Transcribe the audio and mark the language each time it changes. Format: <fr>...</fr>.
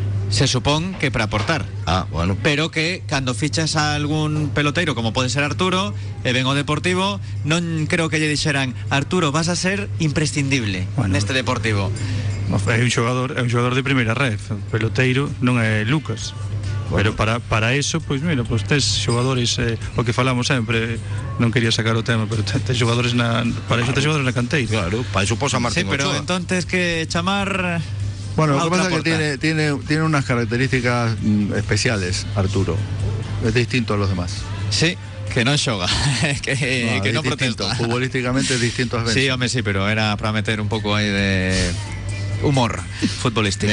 <es>Se supone que para aportar. Ah, bueno. Pero que cuando fichas a algún pelotero, como puede ser Arturo, vengo Deportivo, no creo que le dijeran: Arturo, vas a ser imprescindible, bueno, en este Deportivo. Es un jugador de primera red, peloteiro, no es Lucas.</es> <gl>Pero para eso, pois mira, pois tes xogadores, o que falamos sempre, non quería sacar o tema, pero tes xogadores na, para iso, claro, tes xogadores na canteira. Claro, para iso posa Martín. Sí, pero entón tes que chamar.</gl> <es>Bueno,</es> <gl>o que pasa é</gl> <es>que tiene unas características especiales Arturo. Es distinto a los demás. Sí, Que no es yoga, que no, no protesto. Futbolísticamente distinto a veces. Sí, hombre, sí, pero era para meter un poco ahí de humor futbolístico.</es>